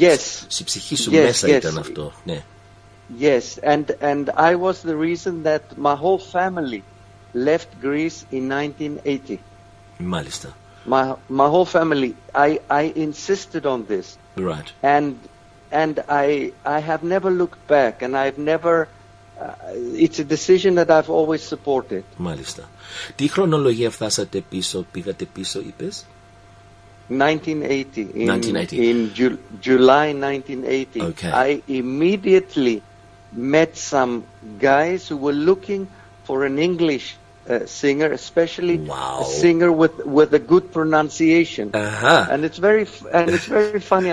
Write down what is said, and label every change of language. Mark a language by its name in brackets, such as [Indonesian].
[English] Yes, and I was the reason that my whole family left Greece in 1980. [Greek] Malista. [English] My whole family. I insisted on this. Right. And I have never looked back, and I've never. It's a decision that I've always supported. [Greek] Malista. Τι χρονολογία φτάσατε πίσω, πήγατε πίσω, είπες? [English] 1980. In July 1980. Okay. I immediately met some guys who were looking for an English singer, especially a singer with a good pronunciation. Uh-huh. And it's very funny.